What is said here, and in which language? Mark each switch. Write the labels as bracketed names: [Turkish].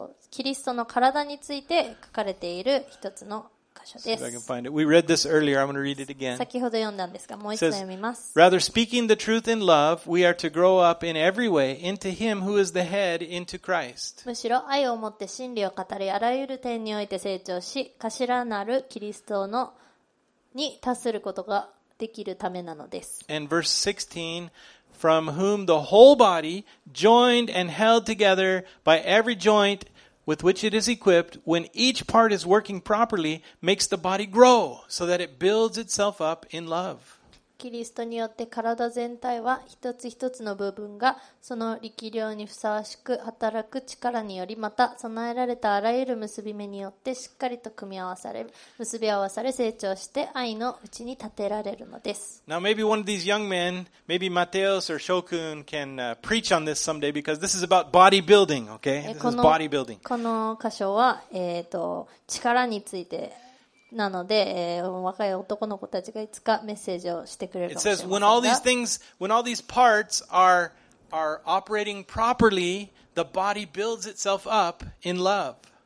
[Japanese] キリストの体について書かれている一つの箇所です。 [English] See if I can find it. We read this earlier. I'm going to read it again. [Japanese] 先ほど読んだんですが、もう一度読みます。 [English] It says, Rather speaking the truth in love, we are to grow up in every way into Him who is the head, into Christ. [Japanese] むしろ愛を持って真理を語り、あらゆる点において成長し、頭なるキリストのに達することができるためなのです。 [English] And verse 16,From whom the whole body, joined and held together by every joint with which it is equipped, when each part is working properly, makes the body grow, so that it builds itself up in love. [Japanese] キリストによって体全体は一つ一つの部分がその力量にふさわしく働く力により、また備えられたあらゆる結び目によってしっかりと組み合わされ結び合わされ成長して愛のうちに立てられるのです。 [English] Now maybe one of these young men, maybe Mateos or Shokun can preach on this someday because this is about bodybuilding, okay? This is bodybuilding. [Japanese] この箇所は、力についてなので、若い男の子たちがいつかメッセージをしてくれるかもしれませんが。 [English] It says, when all these things, when all these parts are operating properly, the body builds itself up in love.